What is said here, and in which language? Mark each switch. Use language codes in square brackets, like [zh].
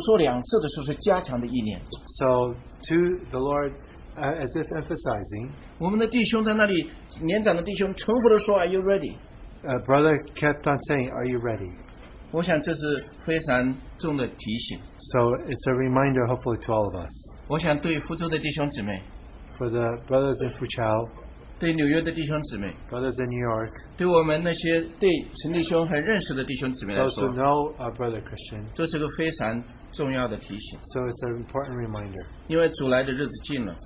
[zh] 我们知道主说两次的时候是加强的意念, [en] so to the Lord as if emphasizing, [zh] 我们的弟兄在那里年长的弟兄重复地说, [en] Are you ready? Brother kept on saying, Are you ready? [zh] 我想这是非常重的提醒, [en] so it's a reminder hopefully to all of us. [zh] 我想对福州的弟兄姊妹, [en] for the brothers in Fuzhou, [zh] 对纽约的弟兄姊妹, [en] brothers in New York, [zh] 对我们那些对陈弟兄很认识的弟兄姊妹来说, [en] those who know our brother Christian, [zh] 这是个非常重要的提醒, [en] so it's an important reminder. [zh] 因为主来的日子近了,